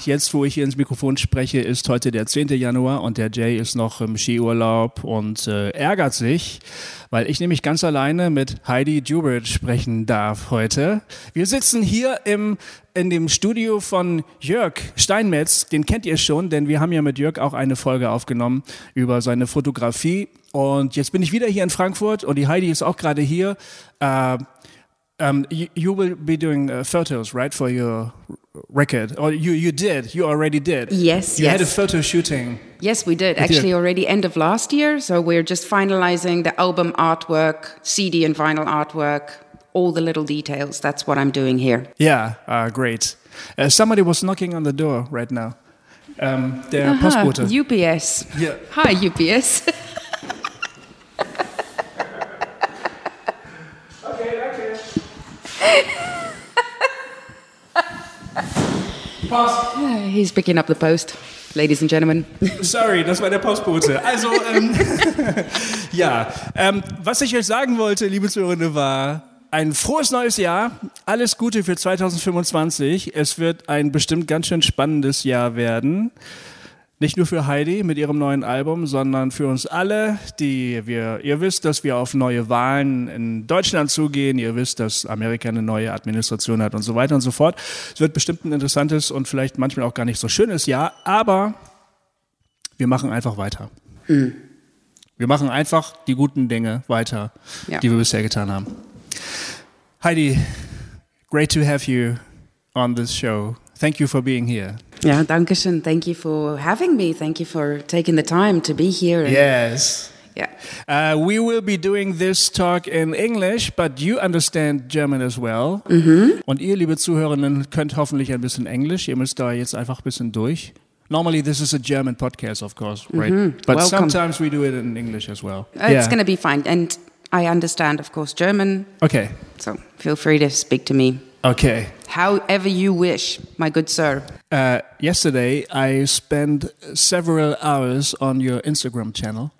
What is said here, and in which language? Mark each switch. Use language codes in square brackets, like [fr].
[de] Jetzt, wo ich hier ins Mikrofon spreche, ist heute der 10. Januar und der Jay ist noch im Skiurlaub und ärgert sich, weil ich nämlich ganz alleine mit Heidi Dubert sprechen darf heute. Wir sitzen hier in dem Studio von Jörg Steinmetz, den kennt ihr schon, denn wir haben ja mit Jörg auch eine Folge aufgenommen über seine Fotografie. Und jetzt bin ich wieder hier in Frankfurt und die Heidi ist auch gerade hier. [en] You will be doing photos, right, for your record? Or you did, you already did. Yes. You had a photo shooting. Yes, we did, actually already end of last year. So we're just finalizing the album artwork, CD and vinyl artwork, all the little details. That's what I'm doing here. Yeah, great. Somebody was knocking on the door right now. [de] Der Postbote. [en] UPS. Yeah. Hi, UPS. [de] Post. [en] He's picking up the post, ladies and gentlemen. [de] Sorry, das war der Postbote. Also, was ich euch sagen wollte, liebe Zuhörende, war ein frohes neues Jahr. Alles Gute für 2025. Es wird ein bestimmt ganz schön spannendes Jahr werden. Nicht nur für Heidi mit ihrem neuen Album, sondern für uns alle, ihr wisst, dass wir auf neue Wahlen in Deutschland zugehen, ihr wisst, dass Amerika eine neue Administration hat und so weiter und so fort. Es wird bestimmt ein interessantes und vielleicht manchmal auch gar nicht so schönes Jahr, aber wir machen einfach weiter. Wir machen einfach die guten Dinge weiter, die wir bisher getan haben. [en] Heidi, great to have you on this show. Thank you for being here. Yeah, [de] danke schön. [en] Thank you for having me. Thank you for taking the time to be here. Yes. Yeah. We will be doing this talk in English, but you understand German as well. Mm-hmm. [de] Und ihr, liebe Zuhörenden, könnt hoffentlich ein bisschen Englisch. Ihr müsst da jetzt einfach ein bisschen durch. [en] Normally, this is a German podcast, of course, right? Mm-hmm. But Welcome. Sometimes we do it in English as well. It's going to be fine. And I understand, of course, German. Okay. So feel free to speak to me. Okay. However you wish, my good sir. Yesterday, I spent several hours on your Instagram channel.